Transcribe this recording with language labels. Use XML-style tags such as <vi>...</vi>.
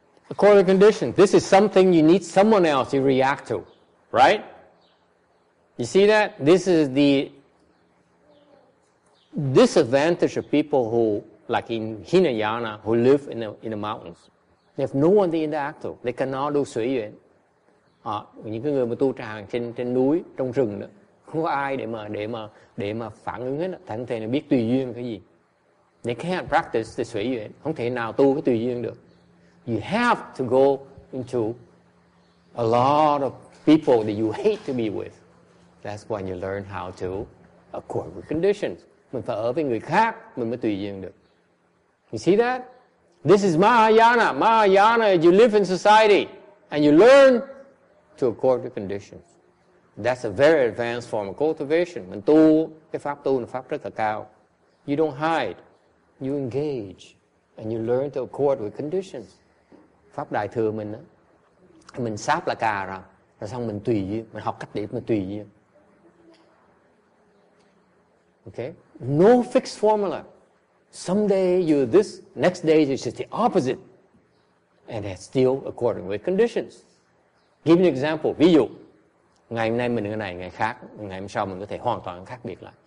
<en>According to conditions, this is something you need someone else to react to, right? You see that? This is the disadvantage of people who, like in Hinayana, who live in the mountains. They have no one to interact to. They cannot do sui yuan.</en> <vi>Những người mà tu tràng trên núi, trong rừng đó, không có ai để mà phản ứng hết. Thành thế là biết tùy duyên cái gì.</vi> <en>They can't practice the sui yuan.</en> <vi>Không thể nào tu cái tùy duyên được.</vi> <en>You have to go into a lot of people that you hate to be with. That's when you learn how to accord with conditions.</en> <vi>Mình phải ở với người khác, mình mới tùy duyên được.</vi> <en>You see that? This is Mahayana. Mahayana is you live in society and you learn to accord to conditions. That's a very advanced form of cultivation.</en> <vi>Mình tu, cái pháp tu là pháp rất là cao.</vi> <en>You don't hide. You engage. And you learn to accord with conditions.</en> <vi>Pháp Đại Thừa mình đó, mình sáp là cà rồi xong mình tùy duyên. Mình học cách để mình tùy duyên.</vi> <en>Okay? No fixed formula. Someday you're this, next day you're just the opposite. And that's still according with conditions. Give you an example.</en> <vi>Ví dụ, ngày hôm nay mình ở này, ngày khác, ngày hôm sau mình có thể hoàn toàn khác biệt lại.</vi>